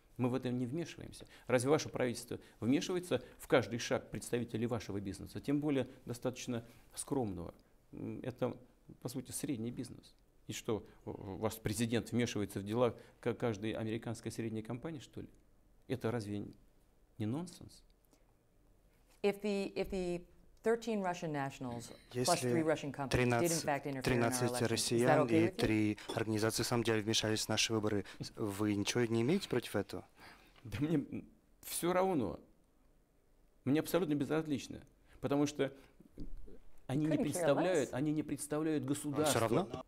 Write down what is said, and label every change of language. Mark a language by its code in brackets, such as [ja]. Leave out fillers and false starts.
[ru] Мы в этом не вмешиваемся. Разве ваше правительство вмешивается в каждый шаг представителей вашего бизнеса, тем более достаточно скромного? Это, по сути, средний бизнес. И что, ваш президент вмешивается в дела каждой американской средней компании, что ли? Это разве не нонсенс? [en] If the 13 Russian nationals plus three Russian companies did in fact interfere in our elections, 13 [ru] россиян и три организации, на самом деле, вмешались в наши выборы, вы ничего не имеете против этого? Да мне все равно. Мне абсолютно безразлично. Потому что они не представляют государство. Все равно?